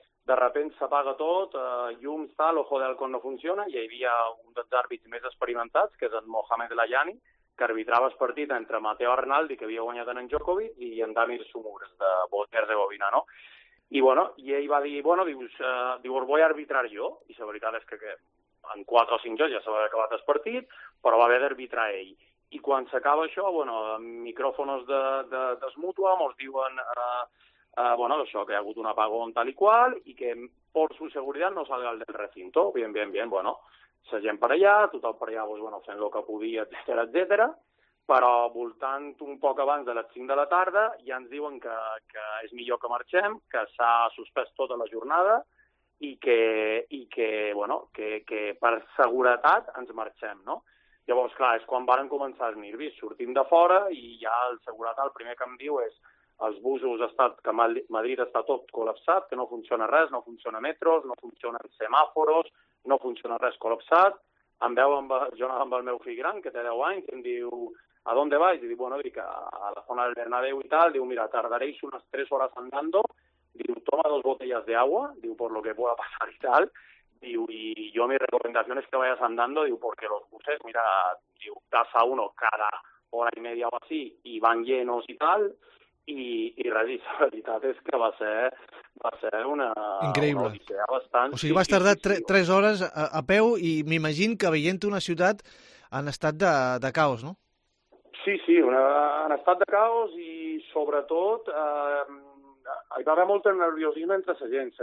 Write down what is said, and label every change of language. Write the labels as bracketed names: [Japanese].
[Spanish] De repente [Catalan] s'apaga tot, llum està, l'ojo del con no funciona, i hi havia un dels àrbits més experimentats, que és en Mohamed Layani, que arbitrava el partit entre Matteo Arnaldi, que havia guanyat en Djokovic, i en Damir Sumures, de Bosnia-Herzegovina, no? I, bueno, i ell va dir, bueno, dius, vull arbitrar jo, i la veritat és que en 4 o 5 jocs ja s'ha acabat el partit, però va haver d'arbitrar ell. I quan s'acaba això, bueno, micròfonos de Mútua, mos diuen... bueno, això, que hi ha hagut un apagón tal i qual i que [Spanish] por su seguridad no salga el del recinto. [Catalan] Bien, bien, bien, bueno, la gent per allà, tothom per allà, pues, bueno, fent el que podia, etcètera, etcètera. Però voltant un poc abans de les 5 de la tarda ja ens diuen que és millor que marxem, que s'ha suspès tota la jornada i que bueno, que per seguretat ens marxem, no? Llavors, clar, és quan varen començar els nervis. Sortim de fora i ja el seguretat, el primer que em diu és... Els busos ha estat, que Madrid està tot col·lapsat, que no funciona res, no funciona metros, no funcionen semàforos, no funciona res col·lapsat. Em veu amb, jo anava amb el meu fill gran, que té 10 anys, i em diu, [Spanish] a dónde vais? [Catalan] I diu, bueno, dic, a la zona del Bernabéu i tal. Diu, mira, [Spanish] tardareis [Catalan] unes 3 hores andando. [Spanish] Diu, toma 2 botellas de agua, diu, por lo que pueda pasar i tal. Diu, y yo mi recomendación es que vayas andando, diu, porque los buses, mira, diu, tasa uno cada hora y media o así, y van llenos y tal... [Catalan] I res, i la veritat és que va ser una... Increïble. Una bastant, o sigui, vas tardar 3 hores a peu i m'imagino que veient una ciutat en estat de caos, no? Sí, sí, en estat de caos i sobretot hi va haver molt nerviosisme entre la gent.